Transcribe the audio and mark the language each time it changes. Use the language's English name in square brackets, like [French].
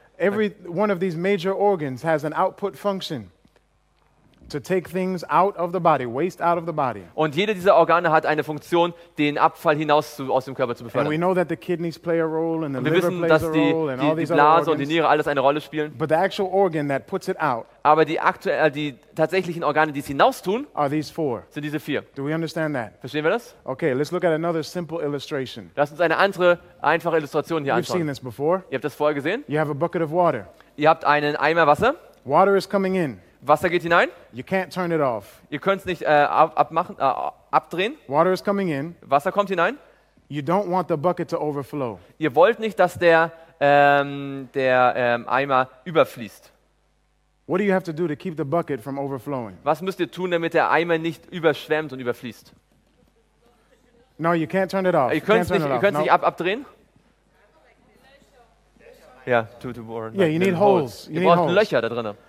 [English] Every one of these major organs has an output function to take things out of the body, waste out of the body. [German] Und jede dieser Organe hat eine Funktion, den Abfall hinaus aus dem Körper zu befördern. [English] And we know that the kidneys play a role and the liver [German] wissen, [English] plays a role and all these Blase organs, [German] und die Niere alles eine Rolle spielen. [English] But the actual organ that puts it out. [German] Aber die tatsächlichen Organe, die es hinaus tun, [English] are these four. [German] Sind diese vier. [English] Do we understand that? [German] Verstehen wir das? [English] Okay, let's look at another simple illustration. [German] Lass uns eine andere einfache Illustration hier anschauen. [English] You've seen this before. [German] Ihr habt das vorher gesehen. [English] You have a bucket of water. [German] Ihr habt einen Eimer Wasser. [English] Water is coming in. [German] Wasser geht hinein. [English] You can't turn it off. [German] Ihr könnt es nicht abdrehen. [English] Water is coming in. [German] Wasser kommt hinein. [English] You don't want the bucket to overflow. [German] Ihr wollt nicht, dass der Eimer überfließt. [English] What do you have to do to keep the bucket from overflowing? [German] Was müsst ihr tun, damit der Eimer nicht überschwemmt und überfließt? [English] No, you can't turn it off. [German] Ihr könnt es nicht abdrehen. Ja, [English] you need holes. [German] Ihr braucht Löcher da drinnen.